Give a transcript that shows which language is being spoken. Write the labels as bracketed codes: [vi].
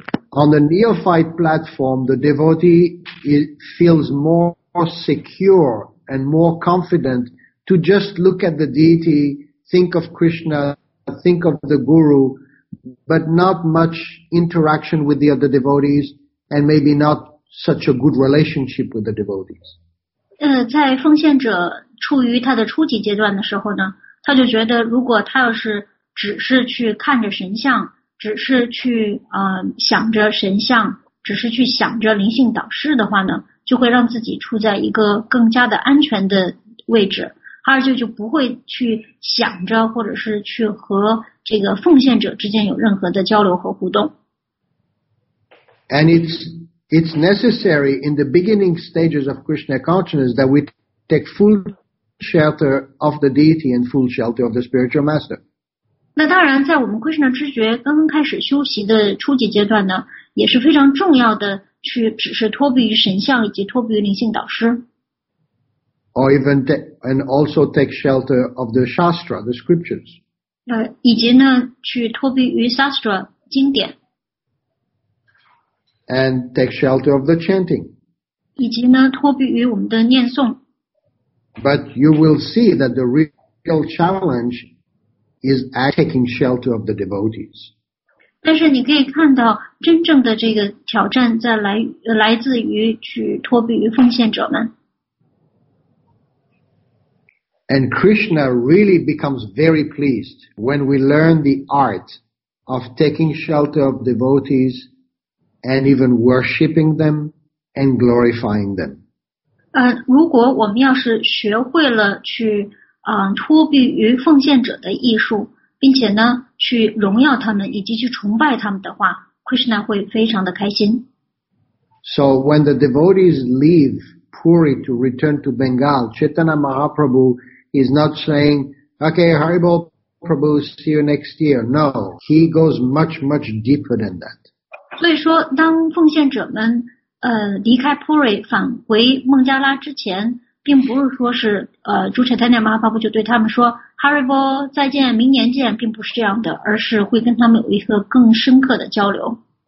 [en] On the neophyte platform, the devotee feels more secure and more confident to just look at the deity, think of Krishna, think of the guru, but not much interaction with the other devotees, and maybe not such a good relationship with the devotees. [zh] 在奉献者处于他的初级阶段的时候呢他就觉得如果他要是只是去看着神像只是去想着神像只是去想着灵性导师的话呢就会让自己处在一个更加的安全的位置而且就不会去想着或者是去和这个奉献者之间有任何的交流和互动。 [en] And it's necessary in the beginning stages of Krishna consciousness that we take full shelter of the deity and full shelter of the spiritual master. [zh] 那当然在我们 Krishna 知觉刚刚开始修习的初级阶段呢也是非常重要的去只是脱避于神像以及脱避于灵性导师。 [en] Or even and also take shelter of the Shastra, the scriptures. [zh] 以及呢去脱避于 Shastra, 经典。 [en] And take shelter of the chanting. [zh] 以及呢脱避于我们的念诵。 [en] But you will see that the real challenge is at taking shelter of the devotees. [zh] 但是你可以看到真正的这个挑战在来自于去脱避于奉献者们。 [en] And Krishna really becomes very pleased when we learn the art of taking shelter of devotees and even worshipping them and glorifying them. [zh] 如果我们要是学会了去脱避于奉献者的艺术并且呢去荣耀他们以及去崇拜他们的话 Krishna 会非常的开心。 [en] So when the devotees leave Puri to return to Bengal, Chaitanya Mahaprabhu is not saying, okay, Haribol Prabhu, see you next year. No, he goes much, much deeper than that. [zh] 所以说当奉献者们离开 Puri 返回孟加拉之前并不是说是主 Chaitanya Mahaprabhu 就对他们说 Haribol 再见明年见并不是这样的而是会跟他们有一个更深刻的交流。